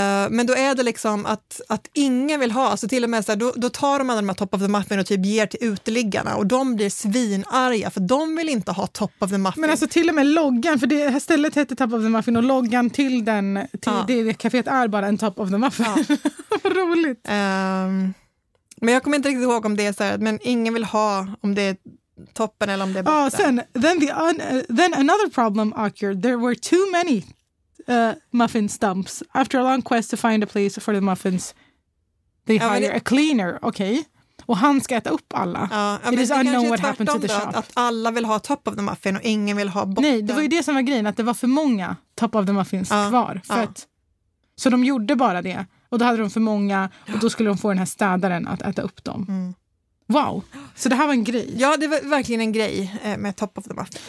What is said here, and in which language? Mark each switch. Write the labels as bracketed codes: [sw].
[sv] Men då är det liksom att ingen vill ha, alltså till och med så här, då tar de andra de här top of the muffin och typ ger till uteliggarna och de blir svinarga för de vill inte ha top of the muffin. Men alltså till och med loggan, för det här stället heter top of the muffin och loggan till den det kaféet är bara en top of the muffin. Vad roligt. Men jag kommer inte riktigt ihåg om det är så här, men ingen vill ha om det är toppen eller om det är botten. [en] Then another problem occurred. There were too many muffin stumps. After a long quest to find a place for the muffins, they hire a cleaner. [sv] Okay. Och han ska äta upp alla. [en] Ja, it is unknown what happened to the shop. [sv] Att alla vill ha top of the muffin och ingen vill ha botten. Nej, det var ju det som var grejen, att det var för många top of the muffins kvar. Så de gjorde bara det. Och då hade de för många och då skulle de få den här städaren att äta upp dem. Mm. Wow. Så det här var en grej. Ja, det var verkligen en grej med top of the muffin.